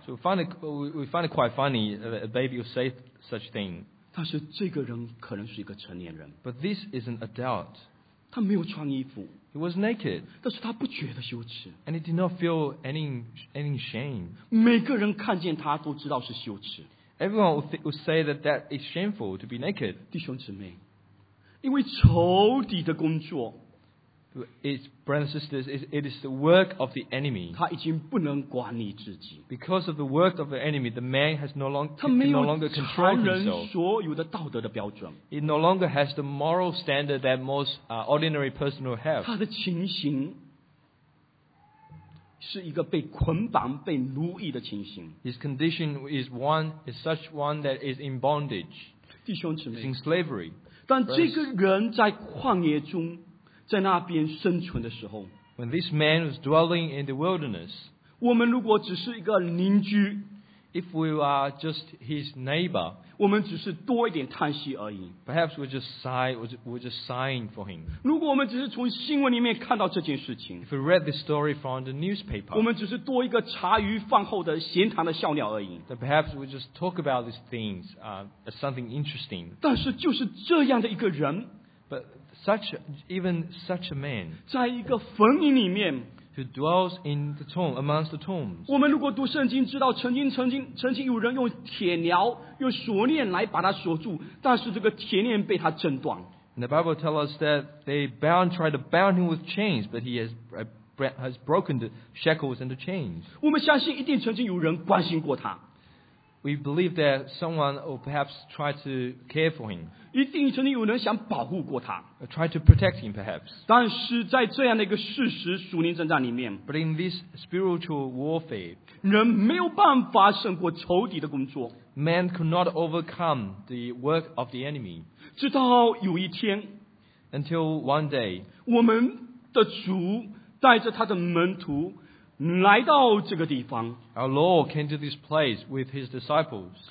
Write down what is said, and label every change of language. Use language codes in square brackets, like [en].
[en] So we find it quite funny. A baby will say such thing. [zh] 但是这个人可能是一个成年人。 [en] But this is an adult. [zh] 他没有穿衣服。 [en] He was naked. [zh] 但是他不觉得羞耻。 [en] And he did not feel any shame. [zh] 每个人看见他都知道是羞耻。 [en] Everyone would say that is shameful to be naked. [zh] 弟兄姊妹，因为仇敌的工作 [en] ，It's brothers and sisters. It is the work of the enemy. [zh] 他已经不能管理自己。 [en] Because of the work of the enemy, the man has no longer control himself. [zh] 他没有常人所有的道德的标准。所有的道德的标准。 [en] He no longer has the moral standard that most ordinary person will have. [zh] 他的情形是一个被捆绑、被奴役的情形。 [en] His condition is one, is such one that is in bondage. [zh] 弟兄姊妹 [en] ，is in slavery. [zh] 但这个人在旷野中，在那边生存的时候 [en] ，when this man was dwelling in the wilderness， [zh] 我们如果只是一个邻居 [en] ，if we are just his neighbor， [zh] 我们只是多一点叹息而已。 [en] Perhaps we just sigh, we just sighing for him. [zh] 如果我们只是从新闻里面看到这件事情 [en] ，if we read the story from the newspaper， [zh] 我们只是多一个茶余饭后的闲谈的笑料而已。 [en] Then perhaps we just talk about these things, as something interesting. [zh] 但是就是这样的一个人 [en] ，but Even such a man, [zh] 在一个坟茔里面 [en] who dwells in the tomb amongst the tombs. [zh] 我们如果读圣经，知道曾经有人用铁镣、用锁链来把他锁住，但是这个铁链被他挣断。 [en] And the Bible tells us that they tried to bound him with chains, but he has broken the shackles and the chains. [zh] 我们相信一定曾经有人关心过他。 [en] We believe that someone will perhaps try to care for him. [zh] 一定曾经有人想保护过他。 [en] Try to protect him, perhaps. [zh] 但是在这样的一个事实属灵征战里面 [en] ，But in this spiritual warfare, [zh] 人没有办法胜过仇敌的工作。 [en] Man could not overcome the work of the enemy. [zh] 直到有一天 [en] ，Until one day, [zh] 我们的主带着他的门徒。来到这个地方 [en] Our Lord came to this place with his disciples.